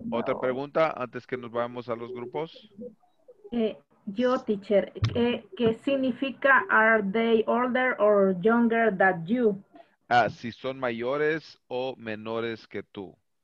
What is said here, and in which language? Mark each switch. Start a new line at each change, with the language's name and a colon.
Spanish: Otra pregunta antes que nos vayamos a los grupos. Yo, teacher, ¿qué significa
English: are they older or younger than you?
Spanish: Ah, si son mayores o menores que tú.